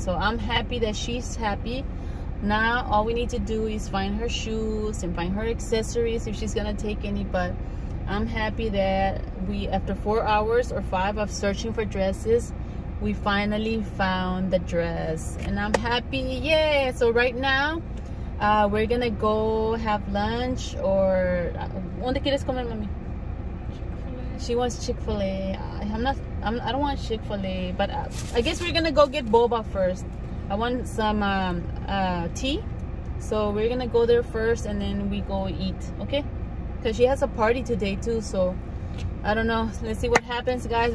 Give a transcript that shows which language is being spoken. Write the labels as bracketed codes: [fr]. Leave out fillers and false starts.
[en] So I'm happy that she's happy. Now all we need to do is find her shoes and find her accessories, if she's gonna take any. But I'm happy that we, after 4 hours or five of searching for dresses, we finally found the dress, and I'm happy. Yeah. So right now, we're gonna go have lunch. [es] Or ¿dónde quieres comer, mami? [en] She wants Chick-fil-A. I don't want Chick-fil-A, but I guess we're gonna go get boba first. I want some tea, so we're gonna go there first, and then we go eat. Okay? Cause she has a party today too, so. I don't know. Let's see what happens, guys.